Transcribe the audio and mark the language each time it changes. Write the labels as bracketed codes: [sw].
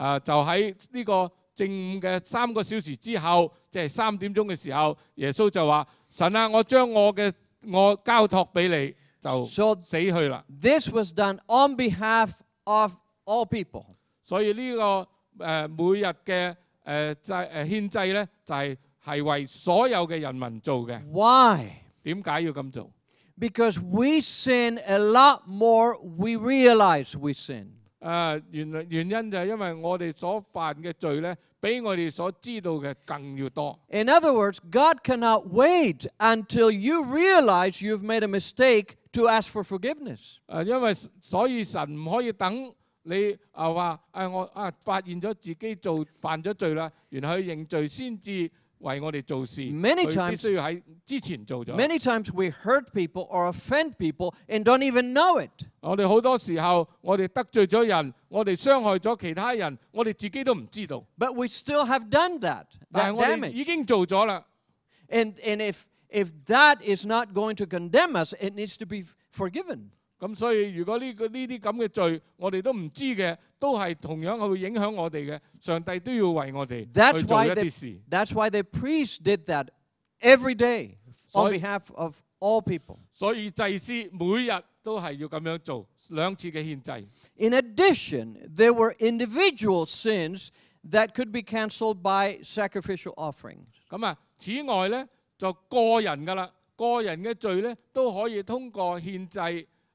[yue] 就喺呢個正午嘅3小時之後，即係3:00嘅時候，耶穌就話。神啊，我將我交託俾你，就死去啦。 [en] So, this was done on behalf of all people. [yue] 所以呢、這個每日嘅獻祭咧，就係、是、為所有嘅人民做嘅。 [en] Why？ [yue] 點解要咁做 [en] ？Because we sin a lot more. We realize we sin. [yue] 原因就係因為我哋所犯嘅罪咧。比我哋所知道嘅更要多。 [en] In other words, God cannot wait until you realize you've made a mistake to ask for forgiveness. [yue] 因為所以神唔可以等你話我發現咗自己做犯咗罪啦，然後去認罪先至為我哋做事。 [en] Many times, [yue] 佢必須要喺之前做咗。 [en] Many times we hurt people or offend people and don't even know it. [yue] 我哋好多時候，我哋得罪咗人。我哋傷害咗其他人，我哋自己都唔知道。 [en] But we still have done that. That damage. [yue] 但係我哋已經做咗啦。 [en] And if that is not going to condemn us, it needs to be forgiven. [yue] 咁所以如果呢啲咁嘅罪，我哋都唔知嘅，都係同樣會影響我哋嘅。上帝都要為我哋去做一啲事。 [en] That's why the priest did that every day on behalf of all people. [yue] 所以祭司每日都係要咁樣做兩次嘅獻祭。 [en] In addition, there were individual sins that could be cancelled by sacrificial offerings. [yue] 咁啊，此外咧就個人噶啦，個人嘅罪咧都可以通過獻祭。